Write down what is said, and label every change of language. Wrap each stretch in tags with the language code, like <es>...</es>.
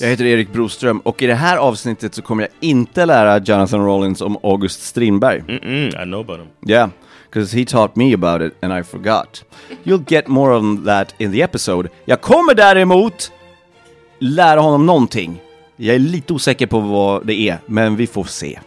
<sv>Jag heter Erik Broström och i det här avsnittet så kommer jag inte lära Jonathan Rollins om August Strindberg.</sv> <en>Mm-mm, I know about him. Yeah, because he taught me about it and I forgot. You'll get more on that in the episode.</en> <sv>Jag kommer däremot lära honom någonting. Jag är lite osäker på vad det är, men vi får se.</sv>